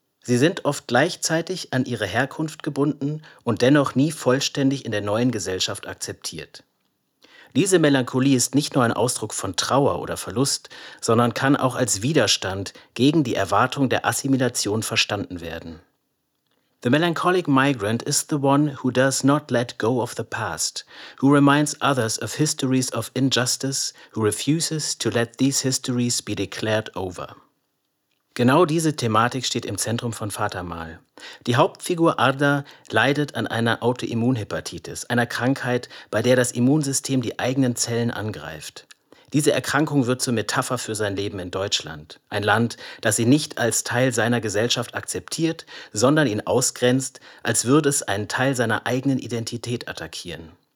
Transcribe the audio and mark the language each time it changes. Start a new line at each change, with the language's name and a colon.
German: Sie sind oft gleichzeitig an ihre Herkunft gebunden und dennoch nie vollständig in der neuen Gesellschaft akzeptiert. Diese Melancholie ist nicht nur ein Ausdruck von Trauer oder Verlust, sondern kann auch als Widerstand gegen die Erwartung der Assimilation verstanden werden.
English: The melancholic migrant is the one who does not let go of the past, who reminds others of histories of injustice, who refuses to let these histories be declared over.
German: Genau diese Thematik steht im Zentrum von Fatamal. Die Hauptfigur Arda leidet an einer Autoimmunhepatitis, einer Krankheit, bei der das Immunsystem die eigenen Zellen angreift. Diese Erkrankung wird zur Metapher für sein Leben in Deutschland, ein Land, das ihn nicht als Teil seiner Gesellschaft akzeptiert, sondern ihn ausgrenzt, als würde es einen Teil seiner eigenen Identität attackieren.